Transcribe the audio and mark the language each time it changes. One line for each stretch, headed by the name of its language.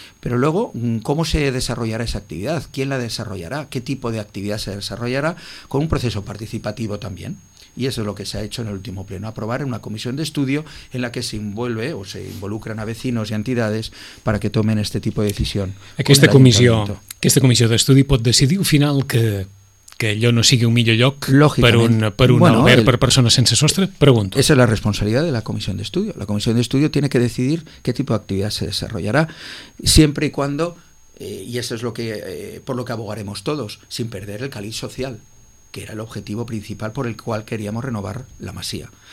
Spanish: Pero luego, ¿cómo se desarrollará esa actividad? ¿Quién la desarrollará? ¿Qué tipo de actividad se desarrollará? Con un proceso participativo también. Y eso es lo que se ha hecho en el último pleno, aprobar en una comisión de estudio en la que se envuelve o se involucran a vecinos y entidades para que tomen este tipo de decisión.
Catalan: Aquesta comissió d'estudi pot decidir al final que allò no sigui un millor lloc per un bueno, albert per persones sense sostre?
Spanish: Pregunto. Esa es la responsabilidad de la comisión de estudio. La comisión de estudio tiene que decidir qué tipo de actividad se desarrollará siempre y cuando, y eso es lo que por lo que abogaremos todos, sin perder el cáliz social, que era el objetivo principal por el cual queríamos renovar la masía.